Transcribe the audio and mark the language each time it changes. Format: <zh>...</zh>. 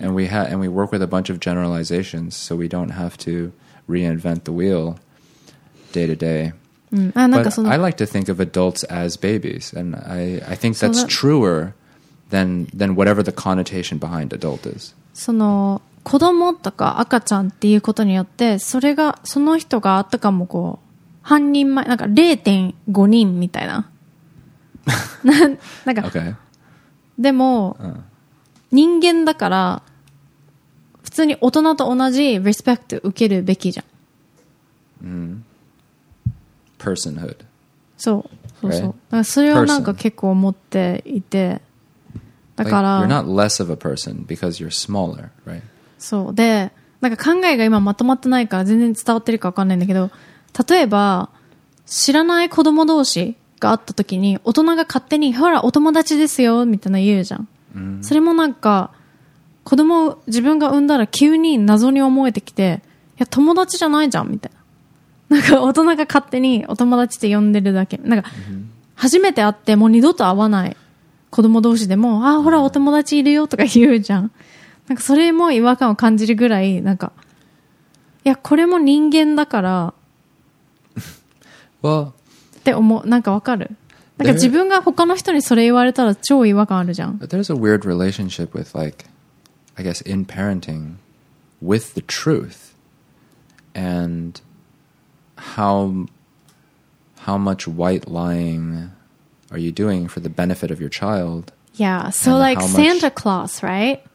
<en>And we work with a bunch of generalizations so we don't have to reinvent the wheel day to day. But I like to think of adults as babies, and I think that's truer than whatever the connotation behind adult is.</en> <ja>その子供とか赤ちゃんっていうことによって、それがその人があったかもこう半人前なんか 0.5 人みたいな。なんか、</ja> <en>okay.</en> <ja>でも、人間だから普通に大人と同じリスペクト受けるべきじゃん。うん。personhood。そう。そうそう。だからそれをなんか結構思っていて。だから。</ja> <en>Like, you're not less of a person because you're smaller, right?</en> <ja>そう。で、なんか考えが今まとまってないから全然伝わってるか分かんないんだけど、例えば、知らない子供同士があった時に、大人が勝手に、ほら、お友達ですよ、みたいな言うじゃん。うん、それもなんか、子供を自分が産んだら急に謎に思えてきて、いや、友達じゃないじゃん、みたいな。なんか、大人が勝手にお友達って呼んでるだけ。なんか、 mm-hmm. 初めて会ってもう二度と会わない子供同士でも、ああ、ほら、お友達いるよとか言うじゃん。なんか、それも違和感を感じるぐらい、なんか、いや、これも人間だから。</ja> <en>well,</en> <ja>って思う。なんかわかる。なんか自分が他の人にそれ言われたら超違和感あるじゃん。</ja> <en>But there's a weird relationship with like, I guess in parenting, with the truth, and how much white lying are you doing for the benefit of your child? Yeah. So like Santa Claus, right?</en>